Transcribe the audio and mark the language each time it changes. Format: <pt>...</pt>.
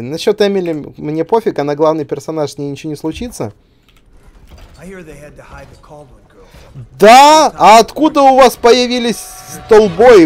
<ru>Насчет Эмили мне пофиг, она главный персонаж, с ней ничего не случится.</ru> <en>I hear they had to hide the Caldwell girl.</en> <ru>Да? А откуда у вас появились столбои?</ru>